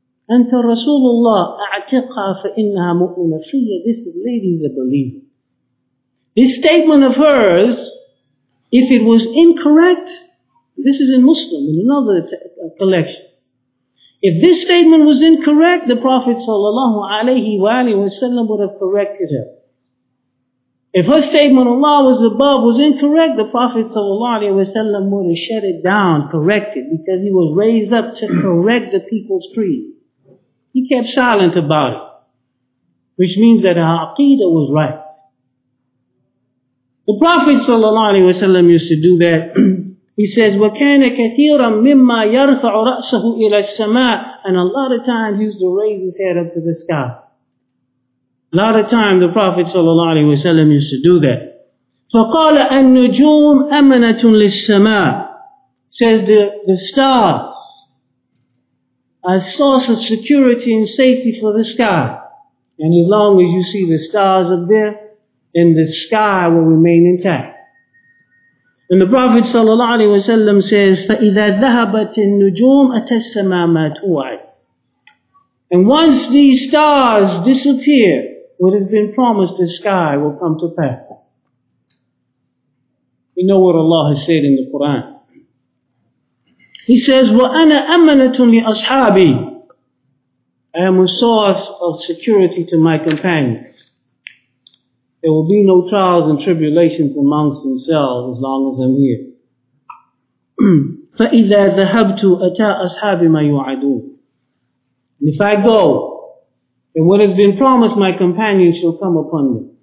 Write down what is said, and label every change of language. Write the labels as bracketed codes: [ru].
[ar] أنت رسول الله أعتقها فإنها مؤمنة فيا. [en] This lady is a believer. This statement of hers, if it was incorrect, this is in Muslim, in another collection. If this statement was incorrect, the Prophet sallallahu alayhi wa alayhi wa sallam would have corrected her. If her statement Allah was above was incorrect, the Prophet sallallahu alayhi wa sallam would have shut it down, corrected, because he was raised up to correct the people's creed. He kept silent about it, which means that her aqidah was right. The Prophet sallallahu alaihi wasallam used to do that. He says, [ar] وَكَانَ كَثِيرًا مِمَّا يَرْفَعُ رَأْسَهُ إِلَى السَّمَاءِ. [en] And a lot of times he used to raise his head up to the sky. A lot of times the Prophet sallallahu alaihi wasallam used to do that. [ar] فقال النجوم أمنة للسماء. [en] Says the stars are a source of security and safety for the sky. And as long as you see the stars up there, then the sky will remain intact. And the Prophet sallallahu alaihi wasallam says, [ar] فَإِذَا ذَهَبَتِ النُّجُومُ أَتَى السَّمَاءُ مَا تُوعَدُ. [en] And once these stars disappear, what has been promised, the sky will come to pass. We know what Allah has said in the Quran. He says, [ar] وَأَنَا أَمَنَةٌ لِأَصْحَابِي. [en] I am a source of security to my companions. There will be no trials and tribulations amongst themselves as long as I'm here. [ar] فَإِذَا ذَهَبْتُ أَتَى أَصْحَابِ مَا يُعَدُونَ. [en] And if I go, then what has been promised, my companion shall come upon me.